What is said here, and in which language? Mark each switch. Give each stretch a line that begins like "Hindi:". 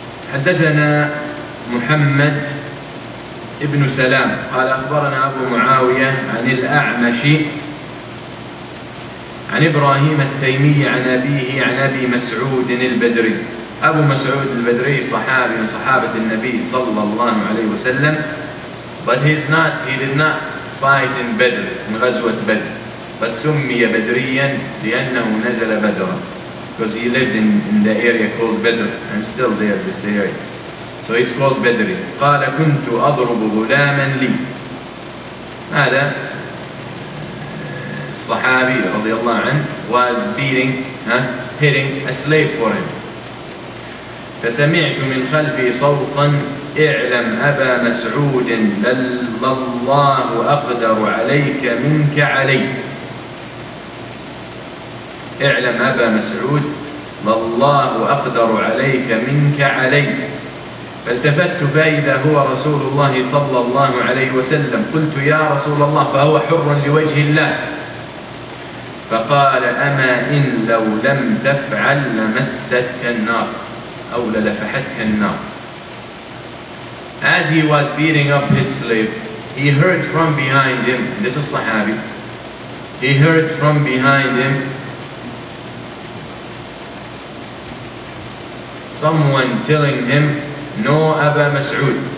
Arabic: حدثنا محمد ابن سلام قال أخبرنا أبو معاوية عن الأعمش عن إبراهيم التيمي عن أبيه عن أبي مسعود البدري. أبو مسعود البدري صحابي من صحابة النبي صلى الله عليه وسلم.
English: But he did not fight in Badr, in غزوة بدر.
Arabic: But سمي بدريا لأنه نزل بدرا.
English: Because he lived in the area called Badr and still there, this area. So it's called Badri.
Arabic: قال كنت أضرب غلاما لي. هذا الصحابي رضي الله عنه
English: was beating, hitting a slave for him.
Arabic: فسمعت من خلفي صوتا اعلم أبا مسعود بل الله أقدر عليك منك علي. اعلم أبا مسعود بل الله أقدر عليك منك علي. فالتفت فإذا هو رسول الله صلى الله عليه وسلم. قلت يا رسول الله فهو حر لوجه الله. فقال أما إن لو لم تفعل لمستك النار أو للفحتك النار.
English: As he was beating up his slave, he heard from behind him. This is Sahabi. He heard from behind him someone telling him, no Aba Mas'ud.